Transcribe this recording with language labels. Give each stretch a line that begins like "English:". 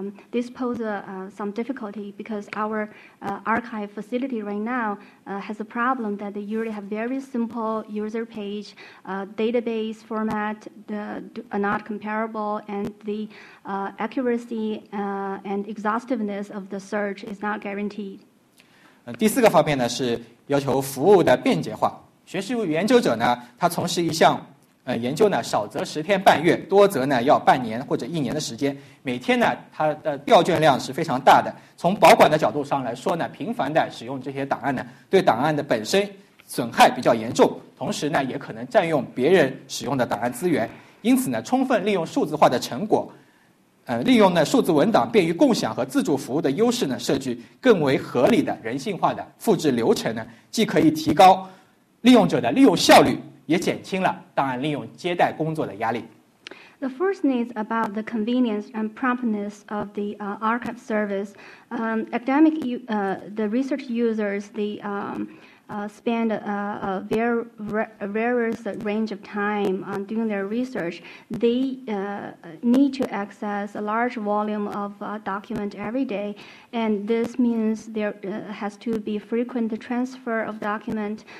English: These pose some difficulty because our archive facility right now has a problem that they usually have very simple user page, database format are not comparable, and the accuracy and exhaustiveness of the search is not guaranteed.
Chinese: 第四个方面呢，是要求服务的便捷化。学术研究者呢，他从事一项研究呢，少则十天半月，多则呢要半年或者一年的时间。每天呢，他的调卷量是非常大的。从保管的角度上来说呢，频繁的使用这些档案呢，对档案的本身损害比较严重，同时呢，也可能占用别人使用的档案资源。因此呢，充分利用数字化的成果。利用呢数字文档便于共享和自助服务的优势呢，设计更为合理的人性化的复制流程呢，既可以提高利用者的利用效率，也减轻了档案利用接待工作的压力。
English: The first needs about the convenience and promptness of the archive service. Academic, the research users, the spend a various range of time on doing their research. They need to access a large volume of document every day, and this means there has to be frequent transfer of document.